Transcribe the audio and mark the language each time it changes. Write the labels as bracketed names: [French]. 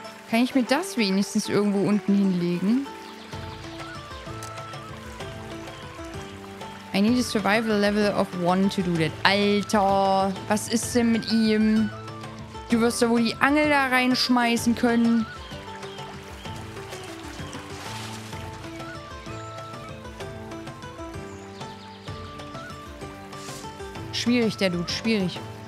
[German] Kann ich mir das wenigstens irgendwo unten hinlegen? [English] I need a survival level of 1 to do that. [German] Alter, was ist denn mit ihm? Du wirst da wohl die Angel da reinschmeißen können. Schwierig, der Dude, schwierig.